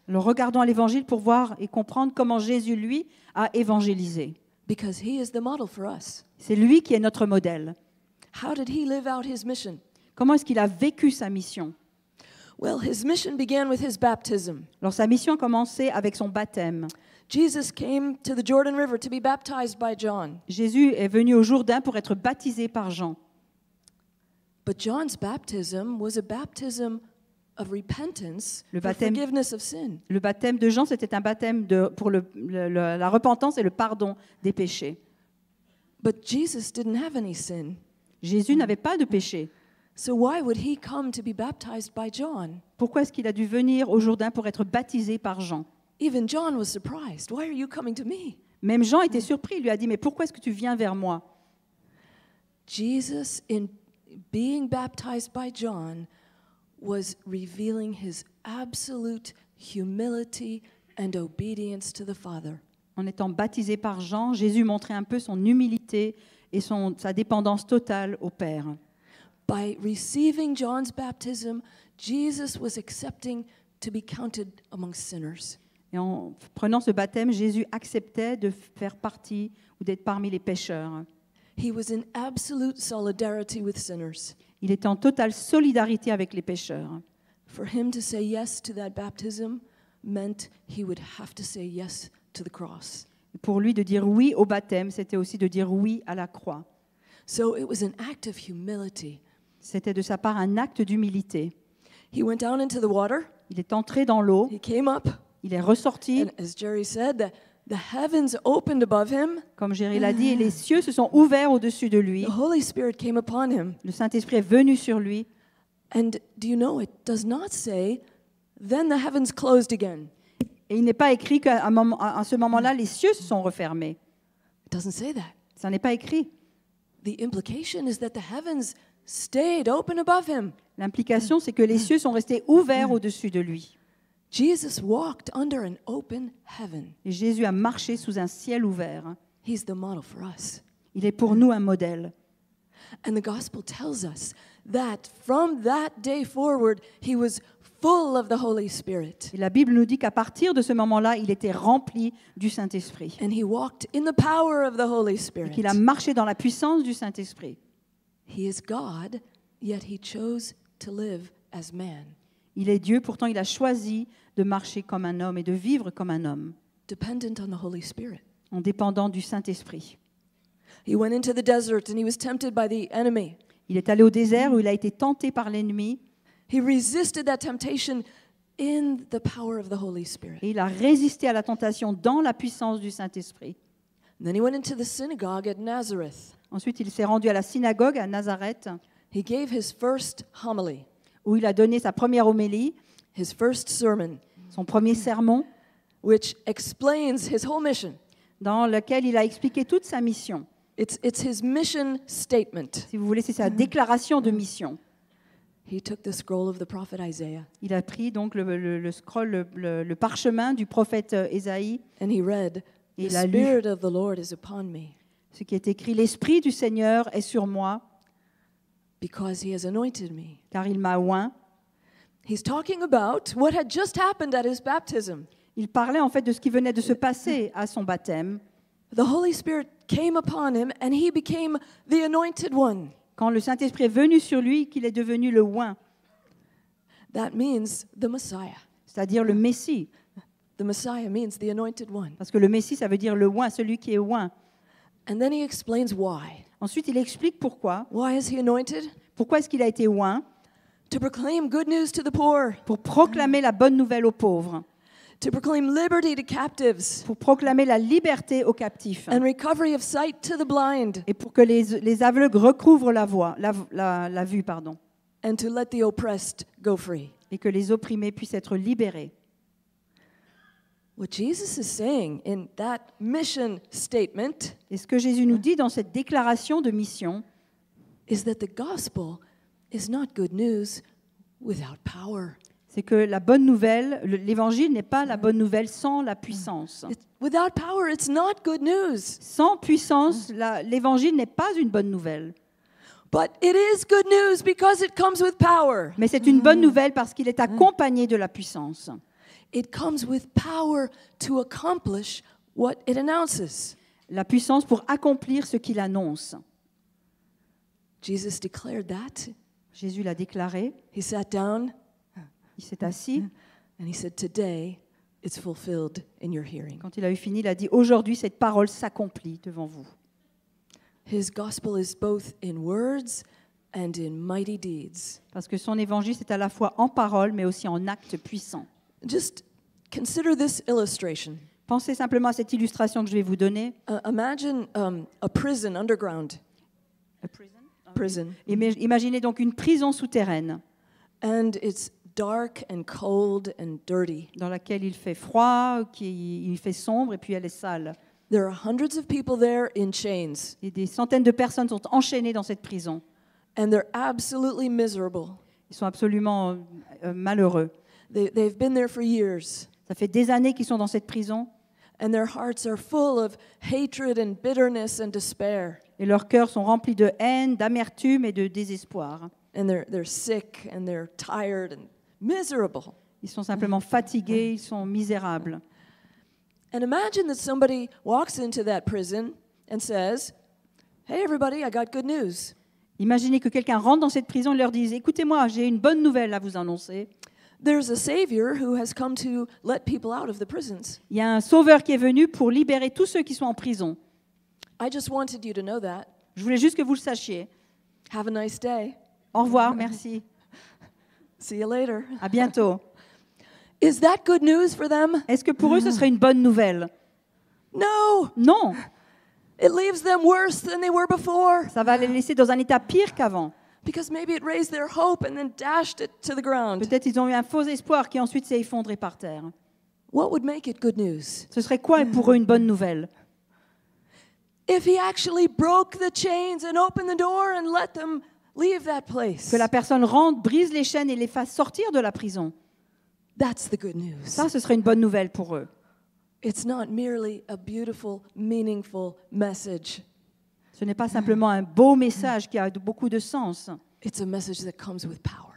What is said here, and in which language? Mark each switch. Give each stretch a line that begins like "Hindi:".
French: Alors regardons à l'évangile pour voir et comprendre comment Jésus lui a évangélisé.
English: Because he is the model for us.
French: C'est lui qui est notre modèle.
English: How did he live out his mission?
French: Comment est-ce qu'il a vécu sa mission?
English: Well, his mission began with his baptism.
French: Alors sa mission a commencé avec son baptême.
English: Jesus came to the Jordan River to be baptized by John.
French: Jésus est venu au Jourdain pour être baptisé par Jean.
English: But John's baptism was a baptism of repentance, for forgiveness of sin.
French: Le baptême de Jean, c'était un baptême pour la repentance et le pardon des péchés.
English: But Jesus didn't have any sin.
French: Jésus n'avait pas de péché.
English: So why would he come to be baptized by John?
French: Pourquoi est-ce qu'il a dû venir au Jourdain pour être baptisé par Jean?
English: Even John was surprised. Why are you coming to me?
French: Même Jean était surpris. Il lui a dit, mais pourquoi est-ce que tu viens vers moi?
English: Jesus, in being baptized by John, was revealing his absolute humility and obedience to the Father.
French: En étant baptisé par Jean, Jésus montrait un peu son humilité et sa dépendance totale au Père.
English: By receiving John's baptism, Jesus was accepting to be counted among sinners.
French: Et en prenant ce baptême, Jésus acceptait de faire partie ou d'être parmi les pécheurs.
English: He was in absolute solidarity with sinners.
French: Il était en totale solidarité avec les pécheurs.
English: For him to say yes to that baptism meant he would have to say yes to the cross.
French: Et pour lui, de dire oui au baptême, c'était aussi de dire oui à la croix.
English: So it was an act of humility.
French: C'était de sa part un acte d'humilité.
English: He went down into the water.
French: Il est entré dans l'eau.
English: He came up.
French: Il est ressorti.
English: And as Jerry said, the heavens opened above him.
French: Comme Jerry l'a dit, les cieux se sont ouverts au-dessus de lui.
English: The Holy Spirit came upon him.
French: Le Saint-Esprit est venu sur lui.
English: And do you know, it does not say, then the heavens closed again.
French: Et il n'est pas écrit qu'à ce moment-là, les cieux se sont refermés.
English: It doesn't say that.
French: Ça n'est pas écrit.
English: The implication is that the heavens stayed open above him.
French: L'implication, c'est que les cieux sont restés ouverts au-dessus de lui.
English: Jesus walked under an open heaven.
French: Et Jésus a marché sous un ciel ouvert.
English: He's the model for us.
French: Il est pour nous un modèle.
English: And the gospel tells us that from that day forward, he was full of the Holy Spirit.
French: Et la Bible nous dit qu'à partir de ce moment-là, il était rempli du Saint-Esprit.
English: And he walked in the power of the Holy Spirit.
French: Et qu'il a marché dans la puissance du Saint-Esprit.
English: He is God, yet he chose to live as man.
French: Il est Dieu, pourtant il a choisi de marcher comme un homme et de vivre comme un homme.
English: Dependent on the Holy Spirit.
French: En dépendant du Saint-Esprit.
English: He went into the desert and he was tempted by the enemy.
French: Il est allé au désert où il a été tenté par l'ennemi.
English: He resisted that temptation in the power of the Holy Spirit.
French: Et il a résisté à la tentation dans la puissance du Saint-Esprit.
English: And then he went into the synagogue at Nazareth.
French: Ensuite, il s'est rendu à la synagogue à Nazareth.
English: He gave his first homily.
French: où il a donné sa première homélie,
English: his first sermon,
French: son premier sermon,
English: which explains his whole mission,
French: dans lequel il a expliqué toute sa mission.
English: It's his mission statement.
French: Si vous voulez, c'est sa déclaration de mission.
English: He took the scroll of the prophet Isaiah.
French: Il a pris donc le scroll, le parchemin du prophète Ésaïe.
English: And he read,
French: et
English: the spirit of the Lord is upon me.
French: Ce qui est écrit, l'esprit du Seigneur est sur moi.
English: Because he has anointed me.
French: Car il m'a oint.
English: He's talking about what had just happened at his baptism.
French: Il parlait en fait de ce qui venait de se passer à son baptême.
English: The Holy Spirit came upon him and he became the anointed one.
French: Quand le Saint-Esprit est venu sur lui, qu'il est devenu le oint.
English: That means the Messiah.
French: C'est-à-dire le Messie.
English: The Messiah means the anointed one.
French: Parce que le Messie, ça veut dire le oint, celui qui est oint.
English: And then he explains why.
French: Ensuite, il explique pourquoi.
English: Why is he anointed?
French: Pourquoi est-ce qu'il a été oint?
English: To proclaim good news to the poor.
French: Pour proclamer la bonne nouvelle aux pauvres.
English: To proclaim liberty to captives.
French: Pour proclamer la liberté aux captifs.
English: And recovery of sight to the blind.
French: Et pour que les aveugles recouvrent la voix, la vue, pardon.
English: And to let the oppressed go free.
French: Et que les opprimés puissent être libérés.
English: What Jesus is saying in that mission statement.
French: Et ce que Jésus nous dit dans cette déclaration de mission.
English: Is that the gospel is not good news without power.
French: C'est que la bonne nouvelle, l'évangile n'est pas la bonne nouvelle sans la puissance.
English: Without power, it's not good news.
French: Sans puissance, l'évangile n'est pas une bonne nouvelle.
English: But it is good news because it comes with power.
French: Mais c'est une bonne nouvelle parce qu'il est accompagné de la puissance.
English: It comes with power to accomplish what it announces.
French: La puissance pour accomplir ce qu'il annonce.
English: Jesus declared that.
French: Jésus l'a déclaré.
English: He sat down.
French: Il s'est assis.
English: And he said, "Today, it's fulfilled in your hearing."
French: Quand il a eu fini, il a dit, aujourd'hui, cette parole s'accomplit devant vous.
English: His gospel is both in words and in mighty deeds.
French: Parce que son évangile, c'est à la fois en parole, mais aussi en acte puissant.
English: Just consider this illustration.
French: Pensez simplement à cette illustration que je vais vous donner.
English: Imagine a prison underground. A prison? Okay. Prison.
French: Imaginez donc une prison souterraine.
English: And it's dark and cold and dirty.
French: Dans laquelle il fait froid, il fait sombre et puis elle est sale.
English: There are hundreds of people there in chains.
French: Et des centaines de personnes sont enchaînées dans cette prison.
English: And they're absolutely miserable.
French: Ils sont absolument malheureux.
English: They've been there for years.
French: Ça fait des années qu'ils sont dans cette prison.
English: And their hearts are full of hatred and bitterness and despair.
French: Et leurs cœurs sont remplis de haine, d'amertume et de désespoir.
English: And they're sick and they're tired and miserable.
French: Ils sont simplement fatigués, ils sont misérables.
English: And imagine that somebody walks into that prison and says, "Hey everybody, I got good news."
French: Imaginez que quelqu'un rentre dans cette prison et leur dise, "Écoutez-moi, j'ai une bonne nouvelle à vous annoncer."
English: There's a savior who has come to let people out of the prisons.
French: Il y a un sauveur qui est venu pour libérer tous ceux qui sont en prison.
English: I just wanted you to know that.
French: Je voulais juste que vous le sachiez.
English: Have a nice day.
French: Au revoir, merci.
English: See you later.
French: À bientôt.
English: Is that good news for them?
French: Est-ce que pour eux ce serait une bonne nouvelle?
English: No.
French: Non.
English: It leaves them worse than they were before.
French: Ça va les laisser dans un état pire qu'avant.
English: Because maybe it raised their hope and then dashed it to the ground.
French: Peut-être ils ont eu un faux espoir qui ensuite s'est effondré par terre.
English: What would make it good news?
French: Ce serait quoi pour eux une bonne nouvelle?
English: If he actually broke the chains and opened the door and let them leave that place.
French: Que la personne rentre, brise les chaînes et les fasse sortir de la prison.
English: That's the good news.
French: Ça, ce serait une bonne nouvelle pour eux.
English: It's not merely a beautiful, meaningful message.
French: Ce n'est pas simplement un beau message qui a beaucoup de sens.
English: It's a message that comes with power.